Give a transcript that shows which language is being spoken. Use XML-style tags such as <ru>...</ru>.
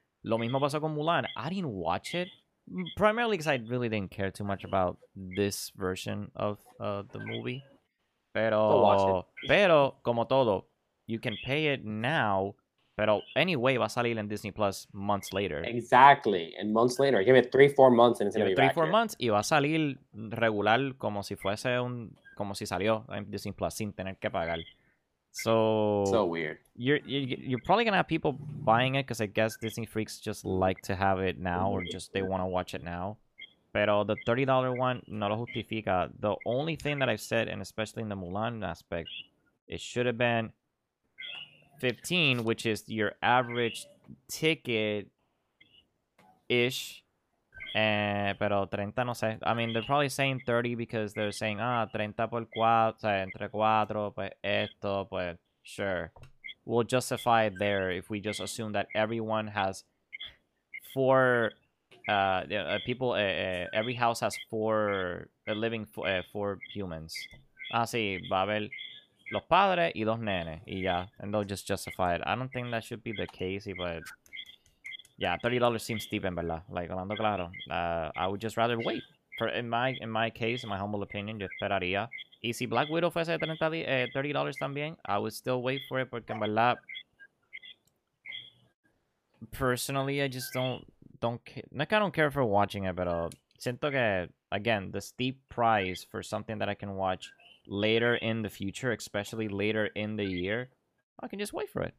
<en>Lo mismo pasó con Mulan. I didn't watch it primarily because I really didn't care too much about this version of the movie.</en> <es>Pero como todo,</es> <en>you can pay it now,</en> <es>pero</es> <en>anyway</en> <es>va a salir en Disney Plus</es> <en>months later. Exactly. And months later. Give it 3-4 months and it's going to be back. 3-4 months</en> <es>y va a salir regular como si fuese un como si salió en Disney Plus sin tener que pagar.</es> <en>So weird. You're probably gonna have people buying it because I guess Disney freaks just like to have it now, or just they want to watch it now.</en> <es>Pero</es> <en>the $30 one</en> <es>no lo justifica.</es> <en>The only thing that I've said, and especially in the Mulan aspect, it should have been 15, which is your average ticket ish.</en> <es>Pero 30 no sé.</es> <en>I mean, they're probably saying 30 because they're saying,</en> <es>30 por 4, o sea, entre 4, pues esto, pues,</es> <en>sure. We'll justify it there if we just assume that everyone has four, people, every house has four, living four humans.</en> <es>Ah, sí, va a haber los padres y dos nenes, y ya.</es> <en>And they'll just justify it. I don't think that should be the case, but... Yeah, $30 seems steep,</en> <es>en verdad.</es> <en>Like,</en> <es>hablando claro,</es> <en>I would just rather wait. For in my case, in my humble opinion,</en> <es>yo esperaría. Y si Black Widow fuese de $30 también,</es> <en>I would still wait for it,</en> <es>porque en verdad,</es> <en>personally, I just I don't care for watching it,</en> <es>pero siento que,</es> <en>again, the steep price for something that I can watch later in the future, especially later in the year, I can just wait for it.</en>